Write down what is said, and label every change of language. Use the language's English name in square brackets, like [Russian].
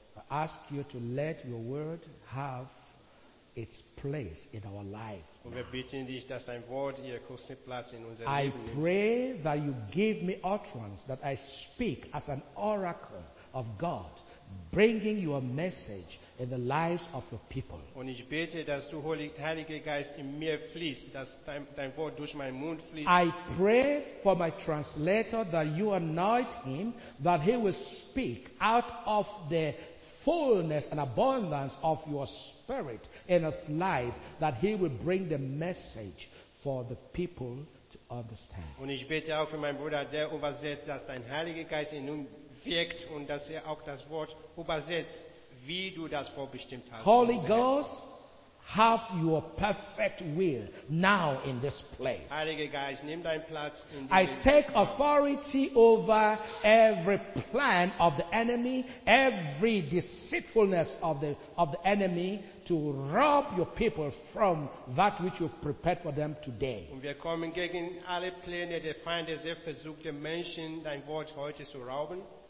[English] I ask you to let your word have its place in our life. I pray that you give me utterance, that I speak as an oracle of God, bringing your message in the lives of your people. [German] Und ich bete, dass du Heilige Geist in mir fließt, dass dein Wort durch meinen Mund fließt. [English] I pray for my translator that you anoint him, that he will speak out of the fullness and abundance of your spirit in his life, that he will bring the message for the people to understand. [German] Und ich bete auch für meinen Bruder, der übersetzt, dass dein Heiliger Geist in ihm wirkt und dass er auch das Wort übersetzt, wie du das vorbestimmt hast. [English] Holy Ghost, have your perfect will now in this place. [German] Heilige Geist, nimm deinen Platz in [English] I take authority over every plan of the enemy, every deceitfulness of the enemy to rob your people from that which you've prepared for them today. [German] Und wir kommen gegen alle Pläne, der Feind, der versucht, den Menschen dein Wort heute zu rauben.